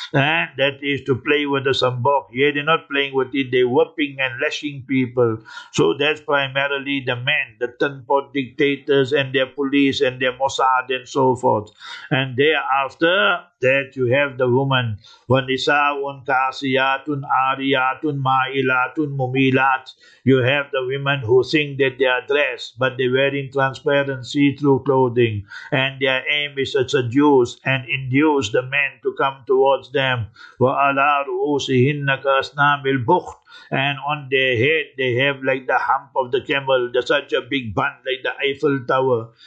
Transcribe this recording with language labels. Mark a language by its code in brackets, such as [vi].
[en] And that is to play with the sambok. Yeah, they're not playing with it, they're whipping and lashing people. So that's primarily the men, the tenpot dictators and their police and their Mossad and so forth. And thereafter, that you have the woman. [ar] وَنِسَاءٌ كَاسِيَاتٌ عَارِيَاتٌ مَائِلَاتٌ مُمِيلَاتٌ. [en] You have the women who think that they are dressed, but they're wearing transparent see-through clothing. And their aim is to seduce and induce the men to come towards them. [ar] وَعَلَىٰ رُؤُوسِهِنَّ كَأَصْنَامِ الْبُخْتِ. [en] And on their head, they have like the hump of the camel, such a big bun, like the Eiffel Tower.